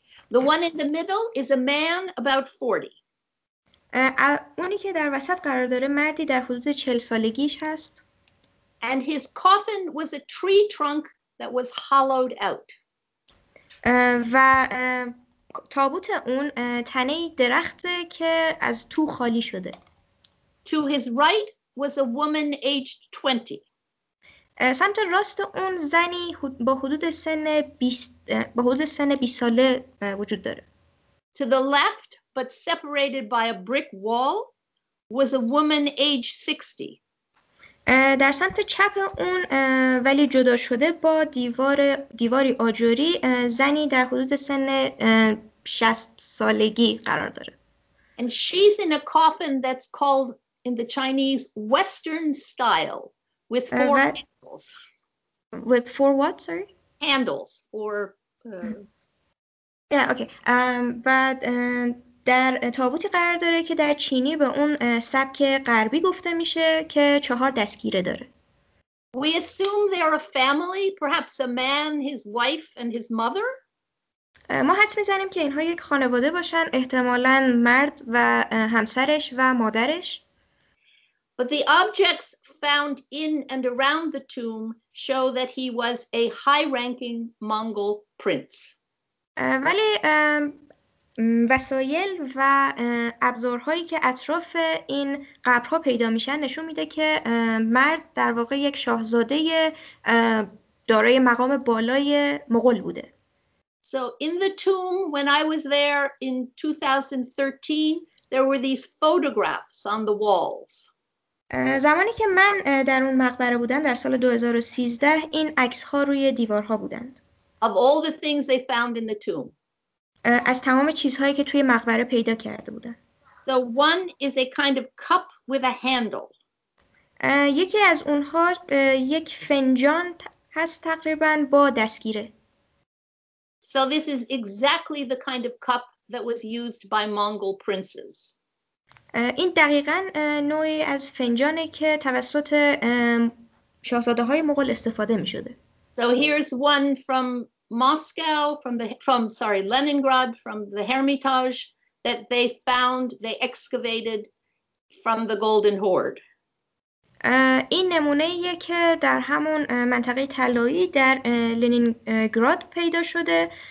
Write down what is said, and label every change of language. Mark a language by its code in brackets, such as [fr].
[en] The one in the middle is a man about 40. [fa] اونی که در وسط قرار داره مردی در حدود 40 سالگیش هست. [en] And his coffin was a tree trunk that was hollowed out. [fa] و تابوت اون تنه درخته که از تو خالی شده. [en] To his right was a woman aged 20. [fa] سمت راست اون زنی با حدود سن 20 ساله وجود داره. [en] To the left, but separated by a brick wall, was a woman aged 60. [fa] در سمت چپ اون ولی جدا شده با دیواری آجری زنی در حدود سن 60 سالگی قرار داره. [en] And she's in a coffin that's called in the Chinese Western style with four handles. With four what, sorry? Handles. Four. Yeah, okay. But [fa] در تابوتی قرار داره که در چینی به اون سبک غربی گفته میشه که چهار دستگیره داره. [en] We assume they are a family, perhaps a man, his wife and his mother. [fa] ما حدس میزنیم که اینها یک خانواده باشن، احتمالاً مرد و همسرش و مادرش. [en] But the objects found in and around the tomb show that he was a high-ranking Mongol prince. [fa] ولی وسایل و ابزارهایی که اطراف این قبرها پیدا میشن نشون میده که مرد در واقع یک شاهزاده دارای مقام بالای مغول بوده. [en] So in the tomb when I was there in 2013 there were these photographs on the walls. [fa] زمانی که من در اون مقبره بودم در سال 2013 این عکس‌ها روی دیوارها بودند. [en] Of all the things they found in the tomb. [fa] از تمام چیزهایی که توی مقبره پیدا کرده بودن. [en] So one is a kind of cup with a handle. [fa] یکی از اونها یک فنجان هست تقریبا با دستگیره. [en] So this is exactly the kind of cup that was used by Mongol princes. [fa] این دقیقاً نوعی از فنجانی که توسط شاهزاده‌های مغول استفاده می‌شده. [en] So here's one from Moscow from Leningrad from the Hermitage that they found they excavated from the Golden Horde. [fa] این نمونه‌ای که در همون منطقه طلایی در لنینگراد پیدا شده.